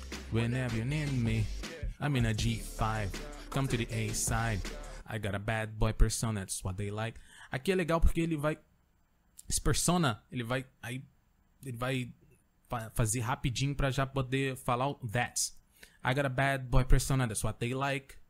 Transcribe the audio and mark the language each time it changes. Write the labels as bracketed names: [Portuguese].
[English] Whenever you need me. I'm in a G5. Come to the A side. I got a bad boy persona, that's what they like. [Portuguese] Aqui é legal porque ele vai... Esse persona, ele vai... Aí, ele vai fazer rapidinho pra já poder falar o that. [English] I got a bad boy persona, that's what they like.